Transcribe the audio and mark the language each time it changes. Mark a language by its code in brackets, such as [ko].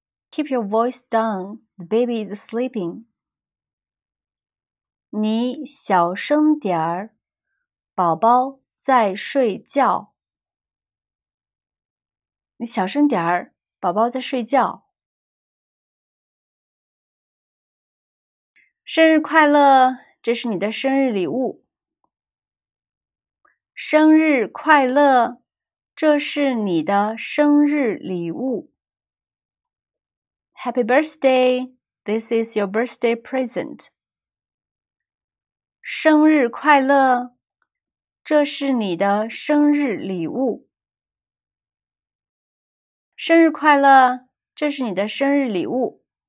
[en] Keep your voice down, the baby is sleeping. [zh] 你小声点儿，宝宝在睡觉。你小声点儿，宝宝在睡觉。生日快乐，这是你的生日礼物。生日快乐。这是你的生日礼物。 [en] Happy birthday, this is your birthday present. [zh] 生日快乐，这是你的生日礼物。生日快乐，这是你的生日礼物。